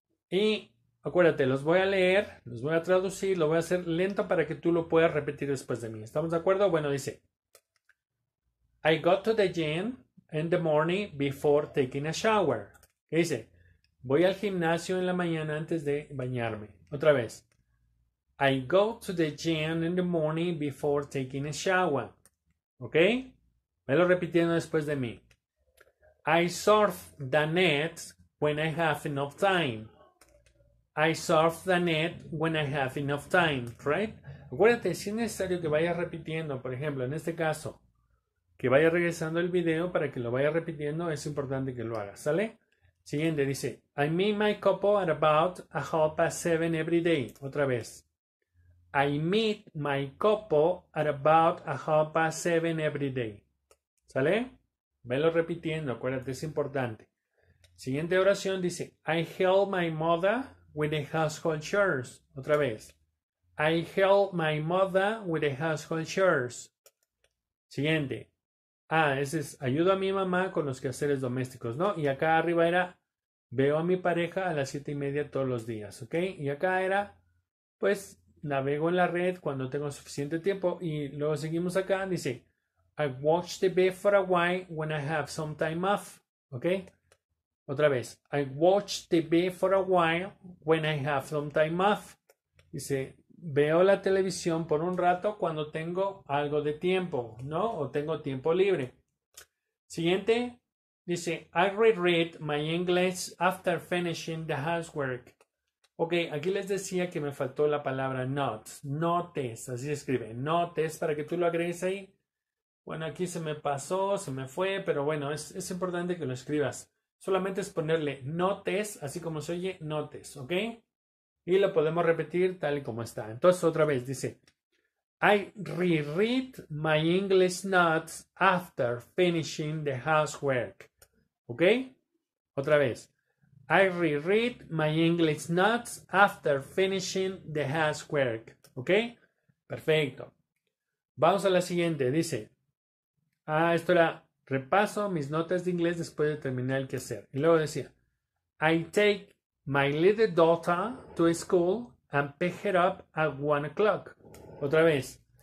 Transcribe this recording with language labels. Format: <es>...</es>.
<es>Y acuérdate, los voy a leer, los voy a traducir, lo voy a hacer lento para que tú lo puedas repetir después de mí. ¿Estamos de acuerdo? Bueno, dice,</es> <en>I go to the gym in the morning before taking a shower.</en> <es>¿Qué dice? Voy al gimnasio en la mañana antes de bañarme. Otra vez.</es> <en>I go to the gym in the morning before taking a shower. ¿Ok?</en> <es>Velo repitiendo después de mí.</es> <en>I surf the net when I have enough time. I surf the net when I have enough time. ¿Right?</en> <es>Acuérdate, si es necesario que vayas repitiendo, por ejemplo, en este caso, que vaya regresando el video para que lo vaya repitiendo, es importante que lo hagas, ¿sale? Siguiente, dice,</es> <en>I meet my couple at about a half past seven every day.</en> <es>Otra vez.</es> <en>I meet my couple at about a half past seven every day.</en> <es>¿Sale? Velo repitiendo, acuérdate, es importante. Siguiente oración dice,</es> <en>I help my mother with the household chores.</en> <es>Otra vez.</es> <en>I help my mother with the household chores.</en> <es>Siguiente. Ah, ese es, ayudo a mi mamá con los quehaceres domésticos, ¿no? Y acá arriba era, veo a mi pareja a las 7:30 todos los días, ¿ok? Y acá era, pues, navego en la red cuando tengo suficiente tiempo. Y luego seguimos acá, dice,</es> <en>I watch TV for a while when I have some time off, ¿ok?</en> <es>Otra vez,</es> <en>I watch TV for a while when I have some time off.</en> <es>Dice, veo la televisión por un rato cuando tengo algo de tiempo, ¿no? O tengo tiempo libre. Siguiente, dice,</es> <en>I reread my English after finishing the housework.</en> <es>Ok, aquí les decía que me faltó la palabra not. Notes, así se escribe. Notes, para que tú lo agregues ahí. Bueno, aquí se me pasó, se me fue, pero bueno, es importante que lo escribas. Solamente es ponerle notes, así como se oye, notes, ¿ok? Y lo podemos repetir tal y como está. Entonces, otra vez, dice,</es> <en>I reread my English notes after finishing the housework. ¿Ok?</en> <es>Otra vez.</es> <en>I reread my English notes after finishing the housework.</en> <es>¿Ok? Perfecto. Vamos a la siguiente. Dice, ah, esto era, repaso mis notas de inglés después de terminar el quehacer. Y luego decía,</es> <en>I take my little daughter to school and pick her up at 1 o'clock.</en> <es>Otra vez.</es>